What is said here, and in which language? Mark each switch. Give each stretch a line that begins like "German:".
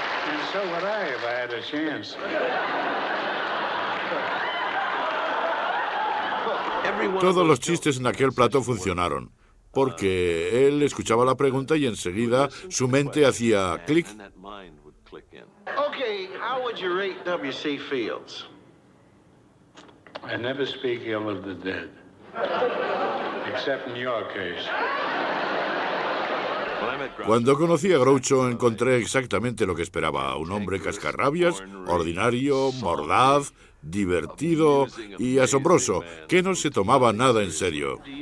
English: And so would I if I had a chance.
Spanish: Todos los chistes en aquel plato funcionaron, porque él escuchaba la pregunta y enseguida su mente hacía clic.
English: Okay, how would you rate W.C. Fields? I never speak ill of the dead, except in your case.
Spanish: Cuando conocí a Groucho, encontré exactamente lo que esperaba: un hombre cascarrabias, ordinario, mordaz, divertido y asombroso, que no se tomaba nada en serio.